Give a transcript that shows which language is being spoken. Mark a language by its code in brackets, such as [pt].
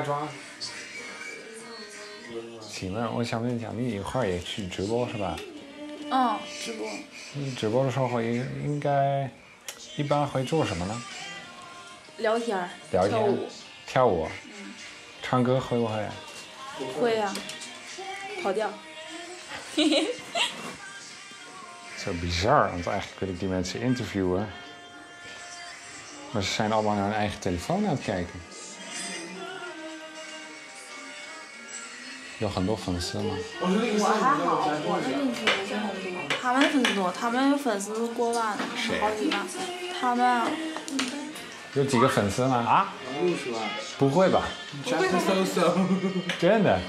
[nl] Ik wil je vragen of je naar de [zh] 直播的时候应该一般会做什么呢？聊天，聊天，跳舞，跳舞，嗯，唱歌会不会？会呀，啊，跑调。 [nl] Zo bizar, want eigenlijk wil ik die mensen interviewen. Maar ze zijn allemaal naar hun eigen telefoon aan het kijken. Johan Lof van de Sama. [zh] 我还好，我的粉丝很多，他们粉丝多，他们有粉丝过万，好几万。他们有几个粉丝吗？啊？60万？不会吧？就是so-so。真的？